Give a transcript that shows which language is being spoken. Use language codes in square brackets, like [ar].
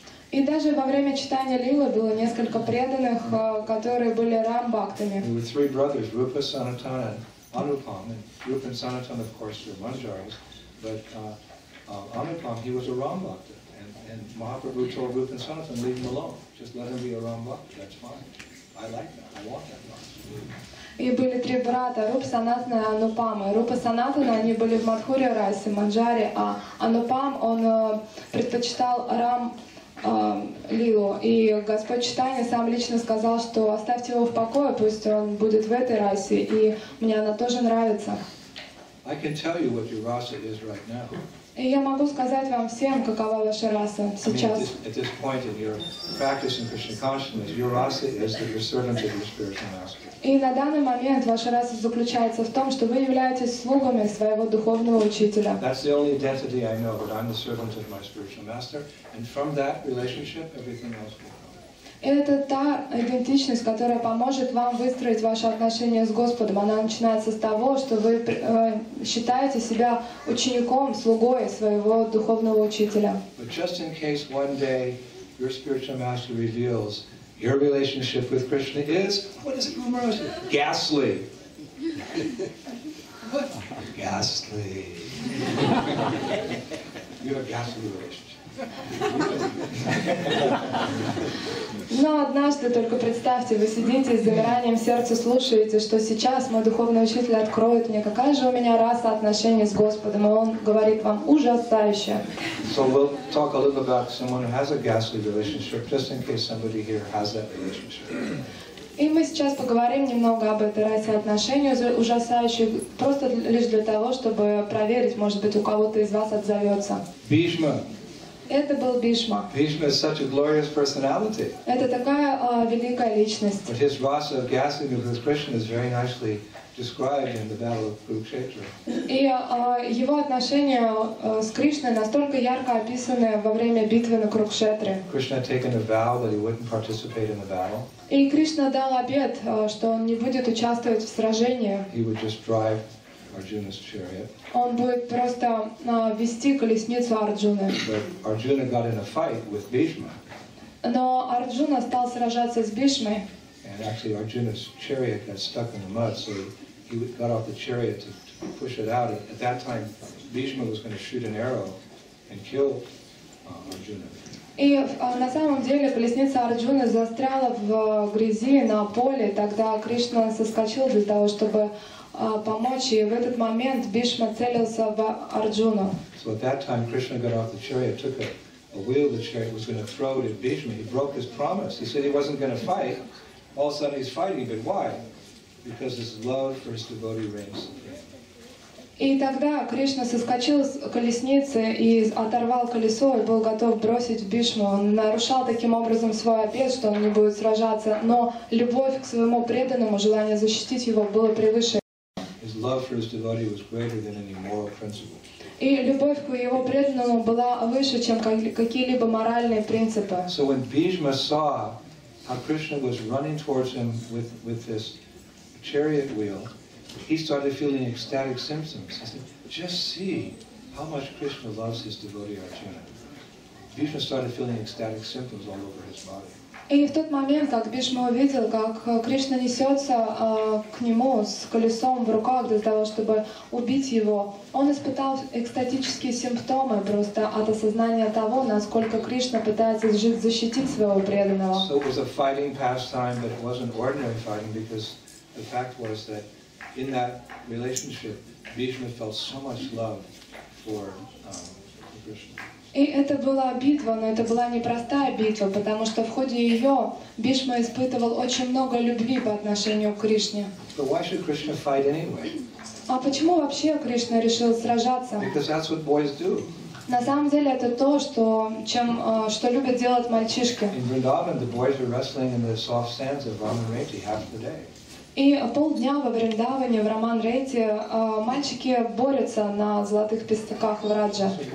[ru] И даже во время читания лилы было несколько преданных, которые были рамбхактами. [en] There were three brothers, Rupa, Sanatana, and Anupam. And Rupa and Sanatana, of course, were manjaris, but Anupam, he was a rambhakta. And Mahaprabhu told Rupa and Sanatana, leave him alone. Just let him be a rambhakta. That's fine. I like that. I want that rasa. [ru] И были три брата, Рупа, Санатана и Анупама. Рупа, Санатана, они были в Мадхурья Расе, Манджаре, а Анупам, он предпочитал Рам-лилу. И Господь Чайтанья сам лично сказал, что оставьте его в покое, пусть он будет в этой расе, и мне она тоже нравится. [en] I can tell you what your rasa is right now. [ru] И я могу сказать вам всем, какова ваша раса сейчас. [en] At this point in your practice in Krishna consciousness, your rasa is that you're servant of your spiritual master. [ru] И на данный момент ваша раса заключается в том, что вы являетесь слугами своего духовного учителя. [en] That's the only identity I know, that I'm the servant of my spiritual master, and from that relationship, everything else will come. [ru] Это та идентичность, которая поможет вам выстроить ваши отношения с Господом. Она начинается с того, что вы считаете себя учеником, слугой своего духовного учителя. [en] But just in case one day your spiritual master reveals your relationship with Krishna is, what is it, Maharaj? Ghastly. Ghastly. You have a ghastly relationship. [ru] Но однажды только представьте, вы сидите с замиранием сердца, слушаете, что сейчас мой духовный учитель откроет мне, какая же у меня раса отношений с Господом, и он говорит вам ужасающе. [en] So we'll talk a little about someone who has a ghastly relationship, just in case somebody here has that relationship. [ru] И мы сейчас поговорим немного об этой расе отношений ужасающей, просто лишь для того, чтобы проверить, может быть, у кого-то из вас отзовется. Бишма. Это был Бишма. [en] Бишма is such a glorious personality. [ru] Это такая великая личность. [en] But his rasa of ghastliness with Krishna is very nicely described in the battle of Kurukshetra. [ru] И его отношения с Кришной настолько ярко описаны во время битвы на Курукшетре. [en] Krishna had taken a vow that he wouldn't participate in the battle. [ru] И Кришна дал обет, что он не будет участвовать в сражении. [en] He would just drive Arjuna's chariot. [ru] Он будет просто вести колесницу Арджуны. [en] But Arjuna got in a fight with Bhishma. [ru] Но Арджуна стал сражаться с Бишмой. [en] And actually Arjuna's chariot got stuck in the mud, so he got off the chariot to push it out. At that time, Bhishma was going to shoot an arrow and kill Arjuna. [ru] И на самом деле колесница Арджуны застряла в грязи на поле, тогда Кришна соскочил для того, чтобы помочь, и в этот момент Бишма целился в Арджуну. [en] So at that time Krishna got off the chariot, took a wheel the chariot was going to throw it at Bhishma. He broke his promise. He said he wasn't going to fight. All of a sudden he's fighting, but why? Because his love for his devotee reigns supreme. [ru] И тогда Кришна соскочил с колесницы и оторвал колесо и был готов бросить Бишму. Он нарушал таким образом свой обет, что он не будет сражаться, но любовь к своему преданному, желание защитить его было превыше. [en] His love for his devotee was greater than any moral principles. [ru] И любовь к его преданному была выше, чем какие-либо моральные принципы. [en] So when Bhishma saw how Krishna was running towards him with this chariot wheel, he started feeling ecstatic symptoms. He said, "Just see how much Krishna loves his devotee Arjuna." Bhishma started feeling ecstatic symptoms all over his body. [ru] И в тот момент, как Бишма увидел, как Кришна несется к нему с колесом в руках для того, чтобы убить его, он испытал экстатические симптомы просто от осознания того, насколько Кришна пытается защитить своего преданного. [en] So it was a fighting pastime, but it wasn't ordinary fighting, because the fact was that in that relationship, Bishma felt so much love for Krishna. [ru] И это была битва, но это была непростая битва, потому что в ходе ее Бишма испытывал очень много любви по отношению к Кришне. [en] But why should Krishna fight anyway? [ru] А почему вообще Кришна решил сражаться? [en] Because that's what boys do. [ru] На самом деле это то, что любят делать мальчишки. [en] In Vrindavan, the boys were wrestling in the soft sands of Ramarati half the day. [ru] И полдня во Вриндаване, в Раман-Рейте, мальчики борются на золотых песках в Раджа.